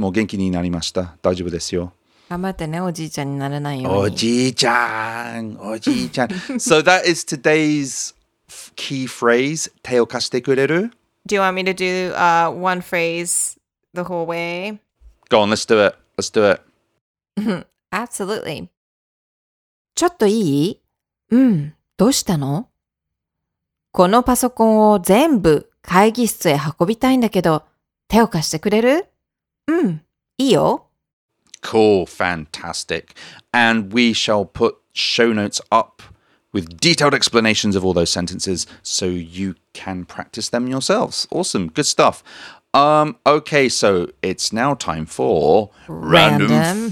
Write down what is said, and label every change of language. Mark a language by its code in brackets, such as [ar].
[ja] もう元気になりました。大丈夫ですよ。頑張ってね、おじいちゃんにならないように。おじいちゃん、おじいちゃん。 [en] So that is today's key phrase. [ja] 手を貸してくれる? [en] Do you want me to do one phrase the whole way? Go on, let's do it. Let's do it. Absolutely. [ja] ちょっといい?うん、どうしたの? このパソコンを全部会議室へ運びたいんだけど、手を貸してくれる? うん、いいよ。 [en] Cool, fantastic. And we shall put show notes up with detailed explanations of all those sentences so you can practice them yourselves. Awesome, good stuff. Okay, so it's now time for Random